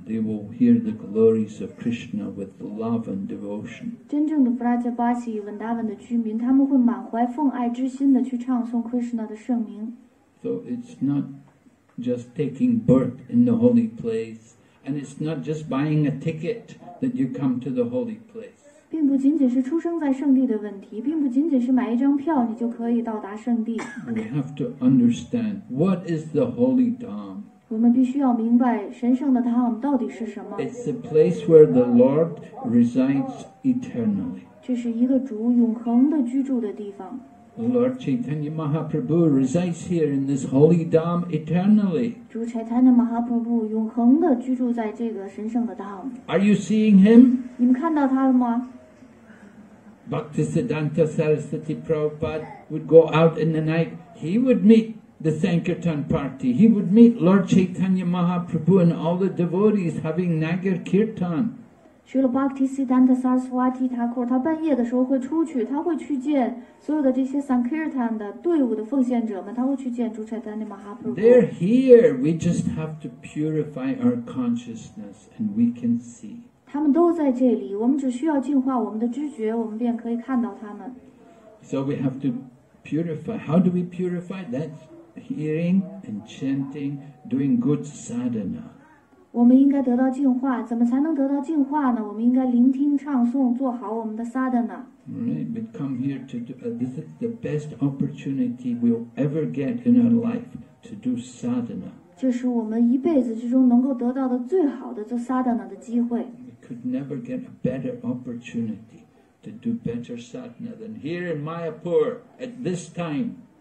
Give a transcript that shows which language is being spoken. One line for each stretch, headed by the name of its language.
English: They will hear the glories of Krishna with love and devotion.
Chinese: 真正的 Vrajabasi, Vrindavan 的居民，他们会满怀奉爱之心的去唱诵 Krishna 的圣名。
English: So it's not just taking birth in the holy place, and it's not just buying a ticket that you come to the holy place.
Chinese: 并不仅仅是出生在圣地的问题，并不仅仅是买一张票你就可以到达圣地。
English: We have to understand what is the holy Dham.
Chinese: 我们必须要明白神圣的 Dham 到底是什么。
English: It's the place where the Lord resides eternally.
Chinese: 这是一个主永恒的居住的地方。
English: Lord Chaitanya Mahaprabhu resides here in this holy Dham eternally.
Chinese: 主柴坦尼马哈普布永恒地居住在这个神圣的 Dham.
English: Are you seeing him?
Chinese: 你们看到他了吗？
English: Bhaktisiddhanta Sarasati Prabhupada would go out in the night. he would meet the Sankirtan party, he would meet Lord Chaitanya Mahaprabhu and all the devotees having Nagar Kirtan.
Chinese: 去了 Bhakti Siddhanta Saraswati Thakur, 他半夜的时候会出去，他会去见所有的这些 Sankirtan 的队伍的奉献者们，他会去见主 Chaitanya Mahaprabhu.
English: They're here, we just have to purify our consciousness and we can see.
Chinese: 他们都在这里，我们只需要净化我们的知觉，我们便可以看到他们。
English: So we have to purify. How do we purify? That's hearing and chanting, doing good sadhana.
Chinese: 我们应该得到净化，怎么才能得到净化呢？我们应该聆听、唱诵，做好我们的 sadhana.
English: Right, but come here to do, this is the best opportunity we'll ever get in our life to do sadhana.
Chinese: 这是我们一辈子之中能够得到的最好的做 sadhana 的机会。
English: We could never get a better opportunity to do better sadhana than here in Mayapur at this time.